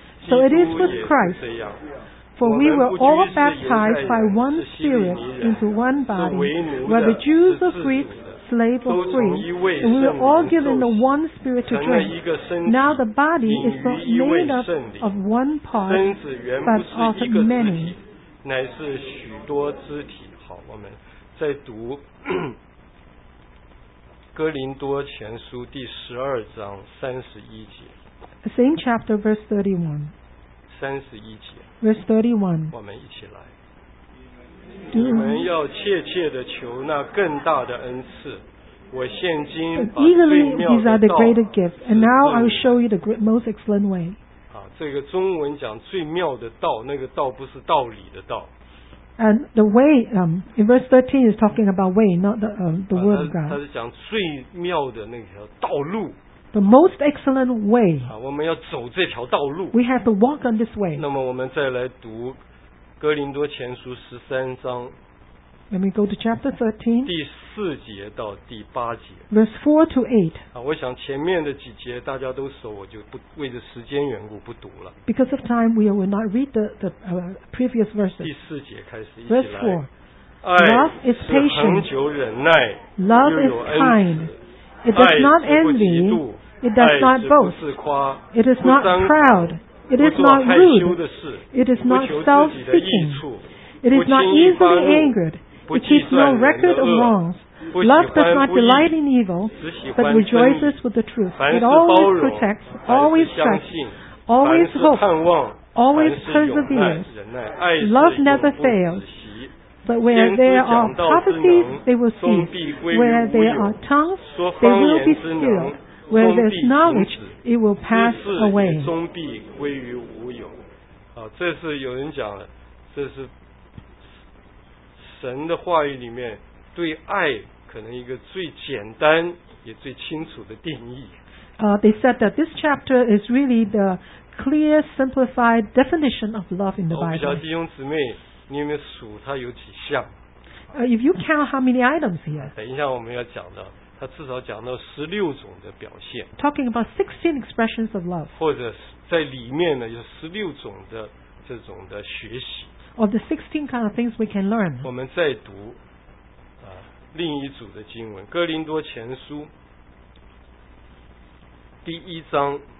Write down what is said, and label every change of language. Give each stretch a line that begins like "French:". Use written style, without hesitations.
English: So it is with Christ. For we were all baptized by one Spirit into one body, whether Jews or Greeks, slave or free, and we were all given the one Spirit to drink. Now the body is not made up of one part, but of many.
Chinese: 乃是许多肢体。好，我们再读哥林多前书第十二章三十一节。
English: The same chapter, verse 31.
Chinese: 三十一节。
English: Verse 31.
Chinese: 我们一起来。你们要切切的求那更大的恩赐。我现今把最妙的道指示你。
English: Eagerly desire the greater gift, and now I will show you the most excellent way.
Chinese: 这个中文讲最妙的道，那个道不是道理的道。
English: And the way, in verse 13 is talking about way, not the word of God.
Chinese: 他是讲最妙的那条道路。
English: The most excellent way.
Chinese: 我们要走这条道路。
English: We have to walk on this way.
Chinese: 那么我们再来读哥林多前书十三章。
English: Let me go to chapter 13.
Chinese: 第四节到第八节。
English: Verse 4 to 8.
Chinese: 我想前面的几节大家都熟，我就不为着时间缘故不读了。
English: Because of time, we will not read the previous verses.
Chinese: 第四节开始一起来。
English: Verse 4. Love is patient. Love is kind. It does not envy. It does not boast. It is not proud. It is not rude. It is not self-seeking. It is not easily angered. It keeps no record of wrongs. Love does not delight in evil, but rejoices with the truth. It always protects, always trusts, always hopes, always perseveres. Love never fails. But where there are prophecies, they will cease. Where there are tongues, they will be stilled. Where there is knowledge, it will pass away.
Chinese: 终必归于无有。这是有人讲的，这是神的话语里面对爱可能一个最简单也最清楚的定义。
English: They said that this chapter is really the clear, simplified definition of love in the Bible.
Chinese: 我不晓得弟兄姊妹，你有没有数它有几项？
English: If you count how many items here.
Chinese: 等一下我们要讲的，它至少讲到十六种的表现。
English: Talking about 16 expressions of love.
Chinese: 或者在里面呢有十六种的这种的学习。
English: Of the 16 kind of things we can learn.
Chinese: 我们再读另一组的经文，哥林多前书第一章。